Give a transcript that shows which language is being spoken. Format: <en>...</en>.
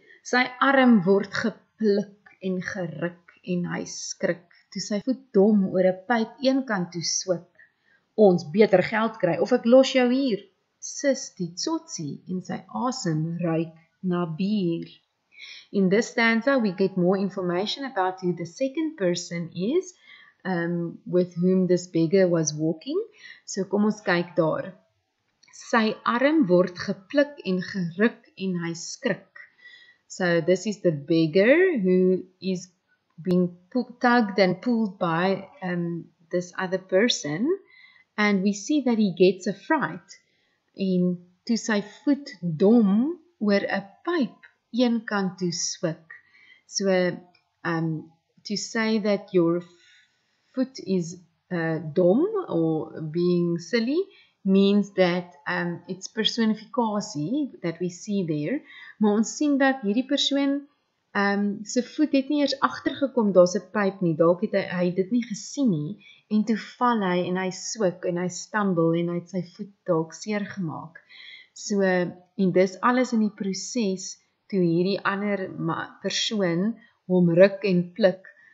<af>Sy arm word gepluk en geruk en hy skrik, toe sy voet dom oor 'n pyp een kant toe swip. Ons beter geld kry of ek los jou hier, sis die tsotsie, en sy asem ruik na bier.</af> <en>In this stanza, we get more information about who the second person is, with whom this beggar was walking.</en> <af>So kom ons kyk daar. Sy arm word gepluk en geruk en hy skrik.</af> <en>So this is the beggar who is being tugged and pulled by this other person. And we see that he gets a fright.</en> <af>En toe sy voet dom oor 'n pyp een kant toe swik.</af> <en>So to say that your foot is dom or being silly means that it's personifikasie that we see there.</en> <af>Maar ons sien dat hierdie persoon se voet het nie eers agtergekom, daar's 'n pyp nie, dalk het hy dit nie gesien nie, en toe val hy en hy swik en hy stumble en hy het sy voet dalk seer gemaak. So en dis alles in die proses toe hierdie ander persoon hom ruk en pluk.</af>